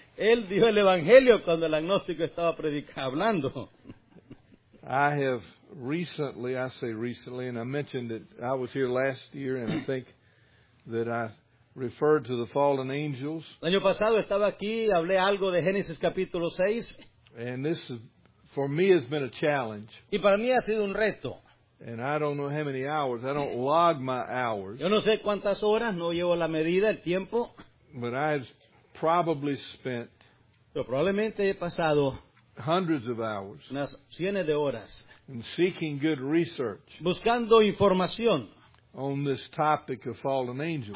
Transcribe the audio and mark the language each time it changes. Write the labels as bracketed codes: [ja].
[es] Él dio el evangelio cuando el agnóstico estaba hablando. [en] I have recently, I say recently, and I mentioned that I was here last year, and I think that I referred to the fallen angels. [es] El año pasado estaba aquí, hablé algo de Génesis capítulo 6. [en] And this, for me, has been a challenge. [es] Y para mí ha sido un reto. [en] And I don't know how many hours, I don't log my hours. [es] Yo no sé cuántas horas, no llevo la medida, el tiempo. [en] But I've probably spent... [es] Pero probablemente he pasado... [en] Hundreds of hours. [es] Unas cientos de horas. [en] And seeking good research. [es] Buscando información. [en] On this topic of fallen angels.